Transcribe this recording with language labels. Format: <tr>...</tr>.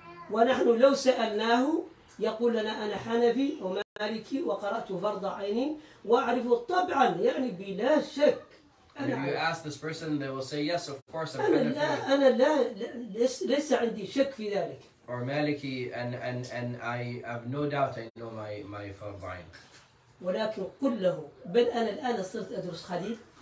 <ar>ونحن لو سألناه يقول لنا أنا حنفي ومالكي وقرأت فرض عيني وأعرف طبعا يعني بلا شك.</ar> <en>And if you ask this person, they will say yes, of course.</en> <ar>أنا لا أنا لا ليس عندي شك في ذلك.</ar> <en>Or مالكي and I have no doubt I know my فرض عين.</en> <ar>ولكن قل له بل أنا الآن صرت أدرس خليل.</ar>